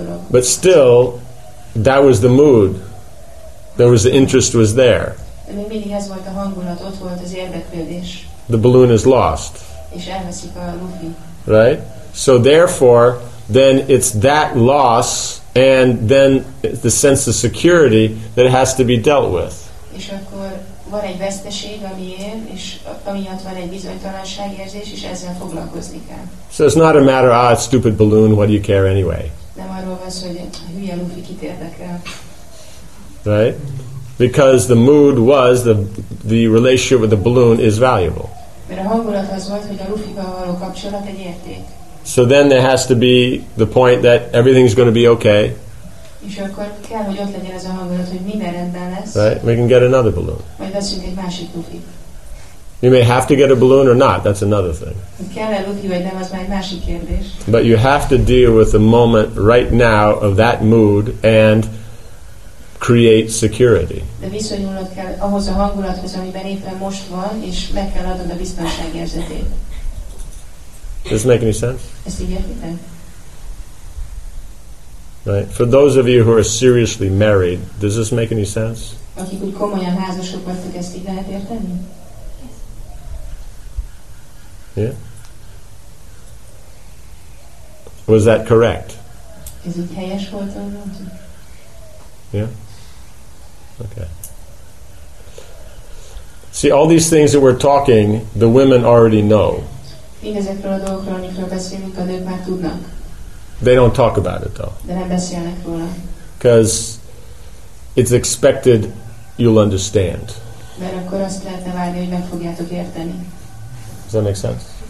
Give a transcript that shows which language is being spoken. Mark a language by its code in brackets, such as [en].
[en] But still, that was the mood. There was the interest was there. [hu] Még mindig ez volt a hangulat, ott volt az érdeklődés. [en] The balloon is lost. [hu] És elveszik a lufi. [en] Right? So therefore, then it's that loss and then the sense of security that has to be dealt with. [hu] És akkor van egy veszteség, amiért, és amiatt van egy bizonytalanság érzés, és ezzel foglalkozni kell. [en] So it's not a matter of, it's stupid balloon, what do you care anyway? [hu] Nem arról van szó, hogy a hülye lufi kit érdekel. [en] Right? Because the mood was, the relationship with the balloon is valuable. [hu] Mert a hangulat az volt, hogy a lufival való kapcsolat egy érték. [en] So then there has to be the point that everything's going to be okay. [hu] És akkor kell, hogy ott legyen az a hangulat, hogy minden rendben lesz. [en] Right? We can get another balloon. [hu] Majd veszünk egy másik lufit. [en] You may have to get a balloon or not. That's another thing. [hu] Kell-e lufi, vagy nem, az már egy másik kérdés. [en] But you have to deal with the moment right now of that mood and create security. [hu] De viszonyulnod kell ahhoz a hangulathoz, amiben éppen most van, és meg kell adnod a biztonság érzetét. [en] Does this make any sense? Right. For those of you who are seriously married, does this make any sense? [hu] Akik úgy komolyan házasok vagytok, ezt így lehet érteni? [en] Yeah. Was that correct? [hu] Ez így helyes volt, ahogy mondtuk? [en] Yeah. Okay. See, all these things that we're talking, the women already know. [hu] Mindezekről a dolgokról, amikről beszélünk, a nők már tudnak. [en] They don't talk about it, though. [hu] De nem beszélnek róla. [en] Because it's expected you'll understand. [hu] Mert akkor azt lehetne várni, hogy meg fogjátok érteni. [en] Does that make sense?